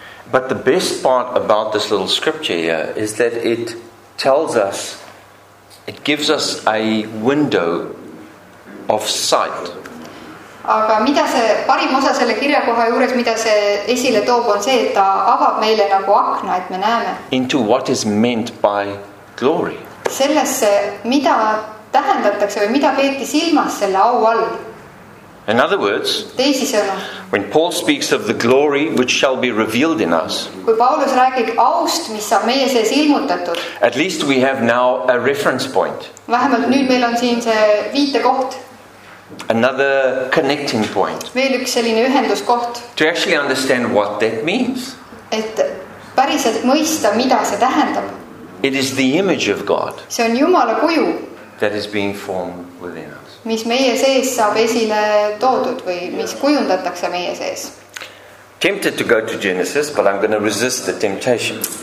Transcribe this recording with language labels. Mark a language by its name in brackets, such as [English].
[English] But the best part about this little scripture here is that it tells us, it gives us a window of sight. [Estonian] Aga mida see parim osa selle kirjakoha juures, mida see esile toob, on see, et ta avab meile nagu akna, et me näeme. [English] Into what is meant by glory. [Estonian] Sellesse, mida tähendatakse või mida peeti silmas selle au all. [English] In other words, when Paul speaks of the glory which shall be revealed in us, [Estonian] kui Paulus räägib aust, mis saab meie sees ilmutatud, [English] at least we have now a reference point. [Estonian] Vähemalt nüüd meil on siin see viitekoht. [English] Another connecting point. [Estonian] Veel üks selline ühenduskoht. [English] To actually understand what that means. [Estonian] Et päriselt mõista, mida see tähendab. [English] It is the image of God. [Estonian] See on Jumala kuju. [English] That is being formed within us. [Estonian] Mis meie sees saab esile toodud või mis kujundatakse meie sees. [English] Tempted to go to Genesis, but I'm going to resist the temptation.